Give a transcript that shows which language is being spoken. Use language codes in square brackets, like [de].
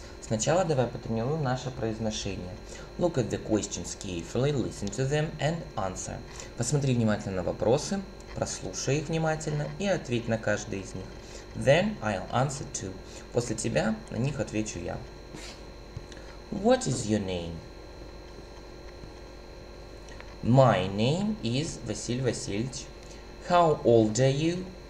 [ru] Сначала давай потренируем наше произношение. [en] Look at the questions carefully, listen to them and answer. [ru] Посмотри внимательно на вопросы, прослушай их внимательно и ответь на каждый из них. [en] Then I'll answer too. [ru] После тебя на них отвечу я. [en] What is your name? My name is Василь Васильевич. How old are you?